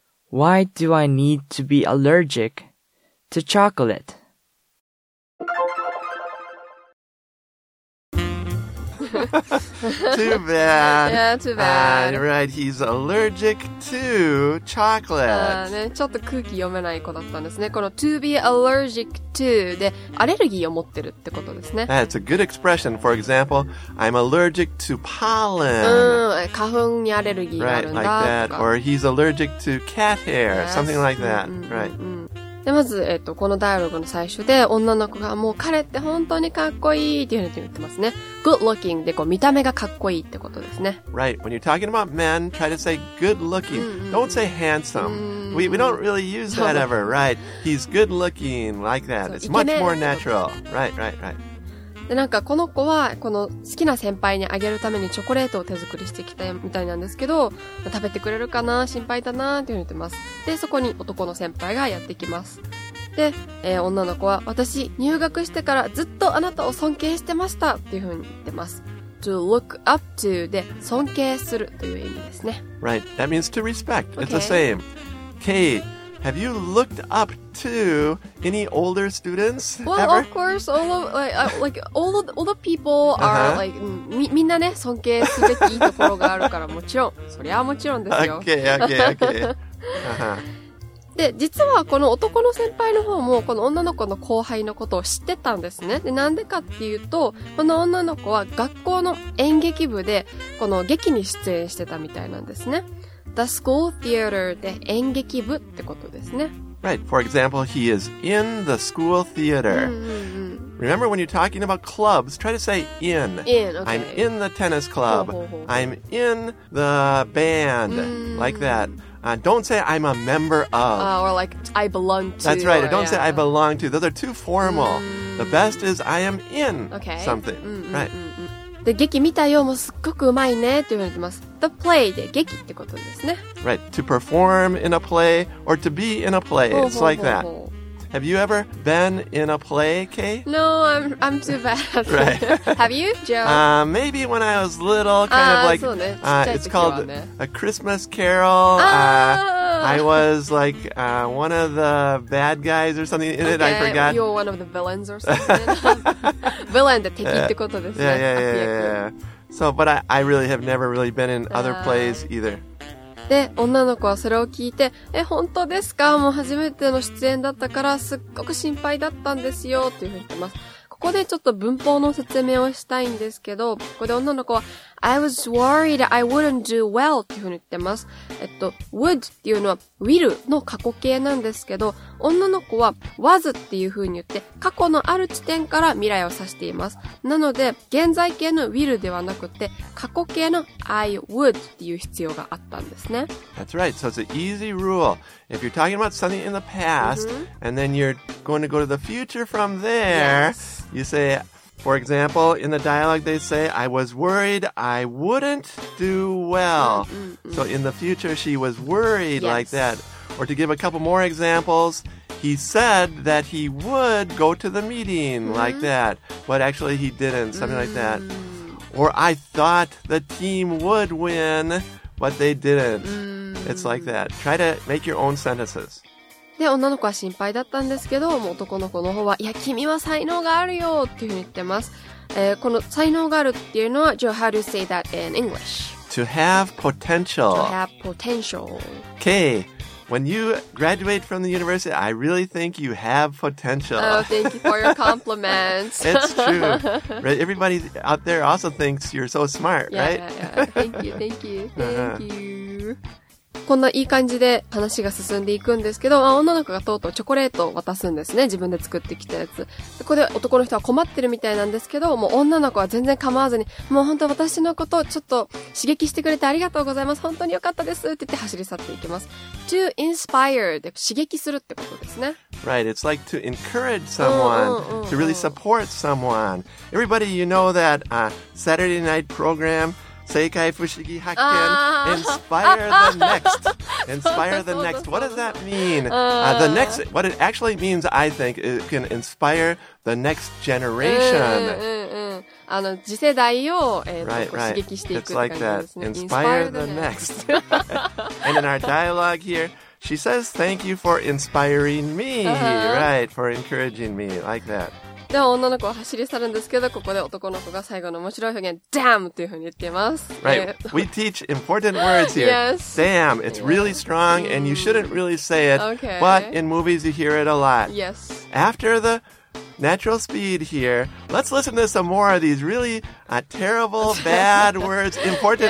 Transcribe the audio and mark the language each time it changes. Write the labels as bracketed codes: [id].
[en] Why do I need to be allergic to chocolate? Ha ha ha! Too bad. Yeah, too bad. Right, he's allergic to chocolate. [ja] ちょっと空気読めない子だったんですね。この [en] to be allergic to [ja] で、アレルギーを持ってるってことですね。 [en] That's a good expression. For example, I'm allergic to pollen. [ja] 花粉にアレルギーがあるんだ。 [en] Right, like that. Or he's allergic to cat hair. Yes. Something like that. Right. [ja] でまず、このダイアログの最初で女の子がもう彼って本当にかっこいいっていうふうに言ってますね。 Good looking でこう見た目がかっこいいってことですね。 [en] Right. When you're talking about men, try to say good looking.、Mm-hmm. Don't say handsome.、Mm-hmm. We don't really use that ever, right? He's good looking like that. It's much more natural. Right, right, right. [ja] でなんかこの子はこの好きな先輩にあげるためにチョコレートを手作りしてきたみたいなんですけど、食べてくれるかな心配だなっていうふうに言ってます。でそこに男の先輩がやってきます。で、女の子は私入学してからずっとあなたを尊敬してましたっていうふうに言ってます。 [en] To look up to [ja] で尊敬するという意味ですね。 [en] Right, that means to respect. It's the same. Kate, have you looked up to any older students? Well, ever? Of course, all of all the people are、uh-huh. [ja] like みんなね尊敬すべきいいところがあるからもちろんそりゃもちろんですよ。 [en] Okay, okay, okay. [ja] で実はこの男の先輩の方もこの女の子の後輩のことを知ってたんですね。でなんでかっていうとこの女の子は学校の演劇部でこの劇に出演してたみたいなんですね。 [en] The school theater [ja] で演劇部ってことですね。 [en] Right. For example, he is in the school theater. Remember when you're talking about clubs, try to say in. In, okay. I'm in the tennis club. I'm in the band. Like that. Don't say I'm a member of. Or like I belong to. That's right. Or don't say I belong to. Those are too formal. The best is I am in something. Right. [ja] で、劇見たよ、もうすっごくうまいね、って言われてます。 [en] The play [ja] で劇ってことですね。 [en] Right. To perform in a play or to be in a play. It's like that. Have you ever been in a play, Kay? No, I'm too bad. Right. Have you, Joe? Maybe when I was little, kind of like, it's called A Christmas Carol. I was like, one of the bad guys or something in it, I forgot. You were one of the villains or something. [ja] Villain で敵ってことですね。 [en] Yeah. So, but I really have never really been in other plays either. [ja] で女の子はそれを聞いて、え本当ですか、もう初めての出演だったからすっごく心配だったんですよというふうに言ってます。ここでちょっと文法の説明をしたいんですけど、ここで女の子は [en] I was worried I wouldn't do well [ja] というふうに言ってます。 Would っていうのは will の過去形なんですけど、女の子は was っていうふうに言って過去のある地点から未来を指しています。なので現在形の will ではなくて過去形の [en] I would [ja] っていう必要があったんですね。 [en] That's right. So it's an easy rule. If you're talking about something in the past、mm-hmm. and then you're going to go to the future from there、 yes. you say, for example, in the dialogue they say, I was worried I wouldn't do well、mm-hmm. so in the future she was worried、 yes. like that. Or to give a couple more examplesHe said that he would go to the meeting、mm-hmm. like that, but actually he didn't, something、mm-hmm. like that. Or I thought the team would win, but they didn't.、 Mm-hmm. It's like that. Try to make your own sentences. [ja] で、女の子は心配だったんですけど、もう男の子の方は、いや、君は才能があるよっていうふうに言ってます。この才能があるっていうのは、 [en] Joe, how do you say that in English? To have potential. To have potential. Okay. When you graduate from the university, I really think you have potential. Oh, thank you for your compliments. It's true. Right? Everybody out there also thinks you're so smart, yeah, right? Thank you. Thank you. [ja] こんないい感じで話が進んでいくんですけど、あ、女の子がとうとうチョコレートを渡すんですね。自分で作ってきたやつ。ここで男の人は困ってるみたいなんですけど、もう女の子は全然構わずに、もう本当私のことをちょっと刺激してくれてありがとうございます。本当に良かったですって言って走り去っていきます。 [en] To inspire [ja] で刺激するってことですね。 [en] Right, it's like to encourage someone, to really support someone. Everybody, you know that Saturday night program, Seikai Fushigi Hakken, inspire the next. Inspire the next. What does that mean? The next, what it actually means, I think, it can inspire the next generation. [ja] あの次世代を、刺激していくって感じですね。 [en] It's like that. Inspire the next. And in our dialogue here, she says, thank you for inspiring me, right? For encouraging me, like that. [ja] では女の子は走り去るんですけど、ここで男の子が最後の面白い表現 damn というふうに言っています。 [en] Right. We teach important words here. Yes. Damn. It's really strong and you shouldn't really say it. Okay. But in movies you hear it a lot. Yes. After the natural speed here, let's listen to some more of these really terrible, bad words, important